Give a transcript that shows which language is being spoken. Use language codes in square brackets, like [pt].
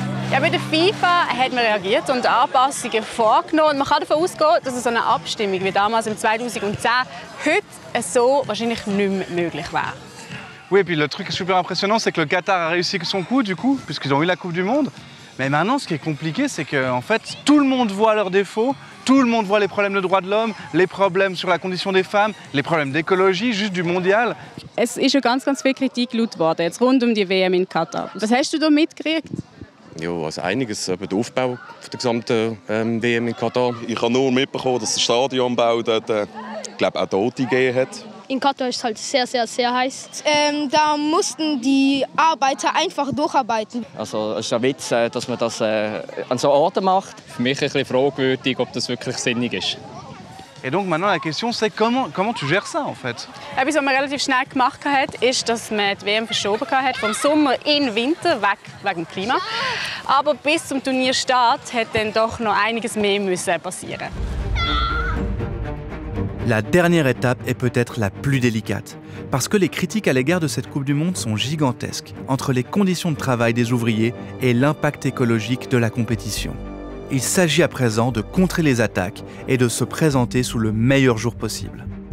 [de] Ja, bei der FIFA hat man reagiert und Anpassungen vorgenommen. Man kann davon ausgehen, dass so eine Abstimmung wie damals im 2010 heute so wahrscheinlich nicht mehr möglich wäre. [fr] Oui, et puis le truc super impressionnant, c'est que le Qatar a réussi son coup, du coup, puisqu'ils ont eu la Coupe du Monde. Mais maintenant, ce qui est compliqué, c'est que en fait, tout le monde voit leurs défauts, tout le monde voit les problèmes de droits de l'homme, les problèmes sur la condition des femmes, les problèmes d'écologie, juste du mondial. [de] Es ist schon ganz, ganz viel Kritik laut worden, jetzt rund die WM in Katar. Was hast du da mitgekriegt? Ja, also einiges über den Aufbau der gesamten WM in Katar. Ich habe nur mitbekommen, dass der Stadionbau dort, glaube auch Tote gegeben hat. In Katar ist es halt sehr, sehr, sehr heiß. Da mussten die Arbeiter einfach durcharbeiten. Also es ist ein Witz, dass man das an so Orten macht. Für mich ein bisschen fragwürdig, ob das wirklich sinnig ist. [fr] Et donc maintenant la question c'est comment tu gères ça en fait? [de] Etwas, was man relativ schnell gemacht hat, ist, dass man die WM verschoben hat vom Sommer in den Winter wegen dem Klima. Aber bis zum Turnierstart hat dann doch noch einiges mehr passieren. [fr] La dernière étape est peut-être la plus délicate parce que les critiques à l'égard de cette Coupe du monde sont gigantesques entre les conditions de travail des ouvriers et l'impact écologique de la compétition. Il s'agit à présent de contrer les attaques et de se présenter sous le meilleur jour possible.